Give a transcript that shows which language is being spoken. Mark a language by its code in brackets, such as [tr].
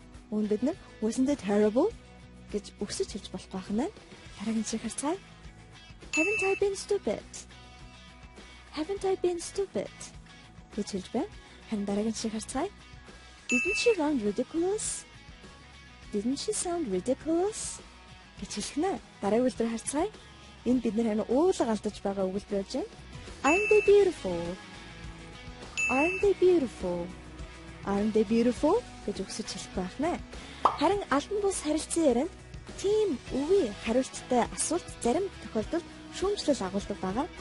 [mn] Үндэд нь [en] wasn't it terrible? [mn] Гэж өгсөж хэлж болох байх нь. Харин жишээ харцгаая. [en] Haven't I been stupid? Haven't I been stupid? [mn] Гэж хэлж байна. Харин дараагийн жишээ харцгаая. [en] Didn't she sound ridiculous? Didn't she sound ridiculous? [mn] Гэж хэлэх нь. Дараагийн үгээр харцгаая. Энд бид нэр хань уулга алдаж байгаа үгэлд байж байна. [en] I'm beautiful. Aren't they beautiful? Aren't they beautiful? [mn] Гэж өгсөж хэлэх байх нэ. Харин альбан бус харилцан ярианд тийм үгүй хариулттай асуулт зарим тохиолдолд шүүмжлэл агуулдаг байгаа.